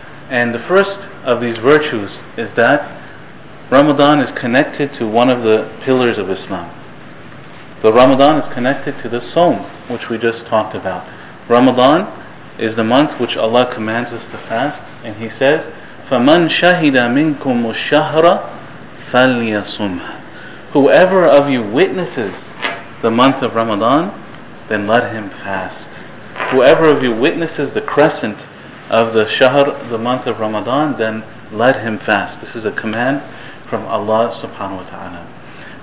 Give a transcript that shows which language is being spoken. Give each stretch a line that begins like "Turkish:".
English: And the first of these virtues is that Ramadan is connected to one of the pillars of Islam. The Ramadan is connected to the Sawm, which we just talked about. Ramadan is the month which Allah commands us to fast. And He says,
Arabic: فَمَنْ شَهِدَ مِنْكُمُ الشَّهْرَ فَلْيَصُمْهَ.
English: Whoever of you witnesses the month of Ramadan, then let him fast. Whoever of you witnesses the crescent of the shahr, the month of Ramadan, then let him fast. This is a command from Allah subhanahu wa ta'ala.